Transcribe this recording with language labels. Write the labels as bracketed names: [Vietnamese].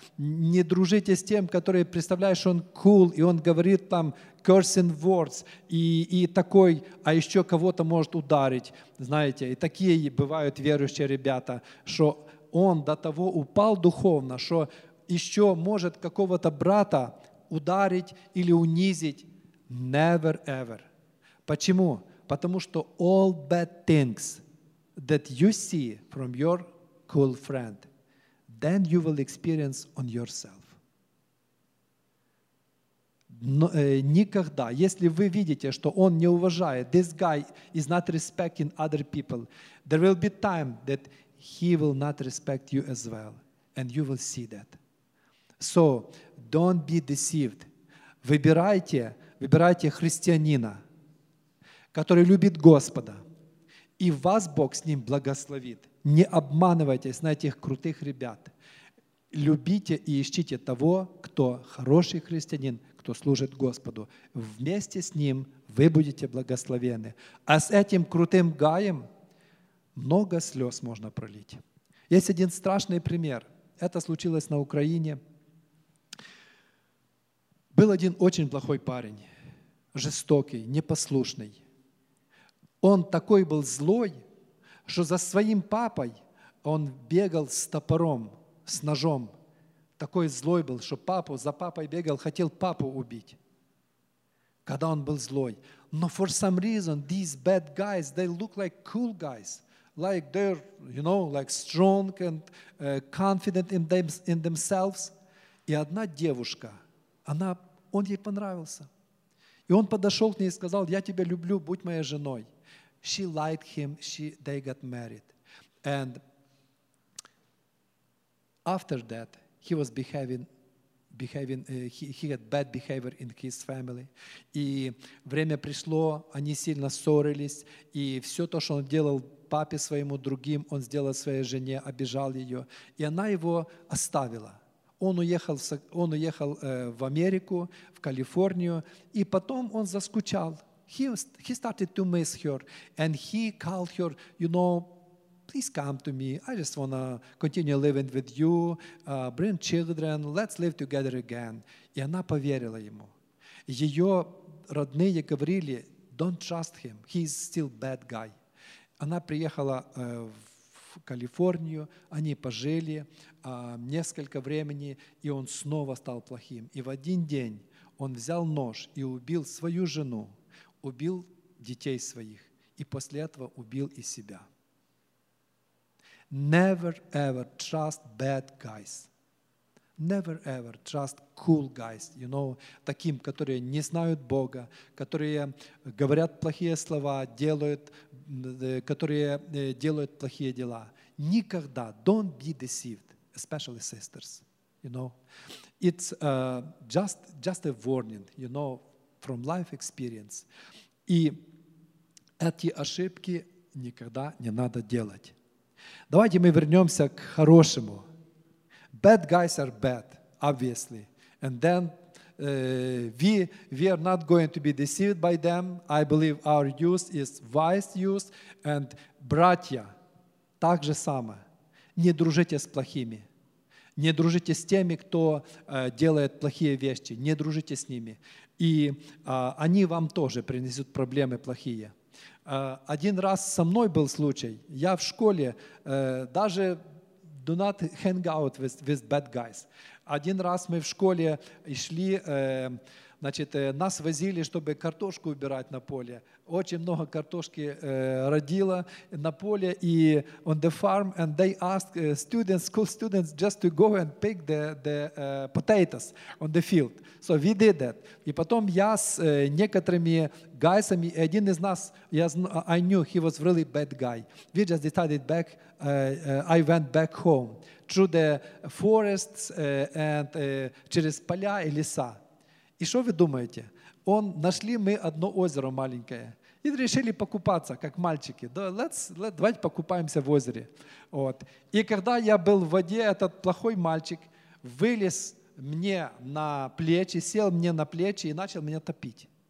[Russian] Не дружите с тем, который представляет, что он cool, и он говорит там [English] cursing words, [Russian] и такой, а еще кого-то может ударить. Знаете, и такие бывают верующие ребята, что он до того упал духовно, что еще может какого-то брата ударить или унизить. [English] Never ever. [Russian] Почему? Потому что [English] all bad things that you see from your cool friend, then you will experience on yourself. [Russian] Но, никогда, если вы видите, что он не уважает, [English] this guy is not respecting other people, there will be time that he will not respect you as well. And you will see that. So, don't be deceived. [Russian] Выбирайте христианина, который любит Господа. И вас Бог с ним благословит. Не обманывайтесь на этих крутых ребят. Любите и ищите того, кто хороший христианин, кто служит Господу. Вместе с ним вы будете благословены. А с этим крутым гаем много слез можно пролить. Есть один страшный пример. Это случилось на Украине. Был один очень плохой парень, жестокий, непослушный. Он такой был злой, что за своим папой он бегал с топором, с ножом. Такой злой был, что папу, за папой бегал, хотел папу убить. Когда он был злой. Но [English] for some reason, these bad guys, they look like cool guys. Like they're, you know, like strong and confident in themselves. [Russian] И одна девушка, он ей понравился. И он подошел к ней и сказал, я тебя люблю, будь моей женой. [English] She liked him, they got married. And after that, he was behaving, he had bad behavior in his family. [Russian] И время пришло, они сильно ссорились, и все то, что он делал папе своему другим, он сделал своей жене, обижал ее. И она его оставила. Он уехал в Америку, в Калифорнию, и потом он заскучал. [English] He started to miss her, and he called her, you know, please come to me. I just want to continue living with you, bring children, let's live together again. [Russian] И она поверила ему. Ее родные говорили, [English] don't trust him, he's still bad guy. [Russian] Она приехала в Калифорнию, они пожили несколько времени, и он снова стал плохим. И в один день он взял нож и убил свою жену, убил детей своих, и после этого убил и себя. [English] Never ever trust bad guys. Never ever trust cool guys, you know, [Russian] таким, которые не знают Бога, которые говорят плохие слова, которые делают плохие дела. Никогда, [English] don't be deceived, especially sisters, you know. It's just a warning, you know, from life experience. [Russian] И эти ошибки никогда не надо делать. Давайте мы вернемся к хорошему. [English] Bad guys are bad, obviously. And then we are not going to be deceived by them. I believe our use is wise use. And [Russian] братья, так же самое. Не дружите с плохими. Не дружите с теми, кто делает плохие вещи. Не дружите с ними. И они вам тоже принесут проблемы плохие. Один раз со мной был случай. Я в школе даже... [English] Do not hang out with bad guys. [Russian] Один раз мы в школе шли значит, нас возили, чтобы картошку убирать на поле. Очень много картошки родило на поле и [English] on the farm, and they asked students, school students, just to go and pick the potatoes on the field. So we did that. [Russian] И потом я с некоторыми гайсами, и один из нас, [English] I knew he was really bad guy. We just decided back, I went back home through the forests and [Russian] через поля и леса. И что вы думаете? Он нашли мы одно озеро маленькое и решили покупаться, как мальчики. Давайте покупаемся в озере. Вот. И когда я был в воде, этот плохой мальчик вылез мне на плечи, сел мне на плечи и начал меня топить.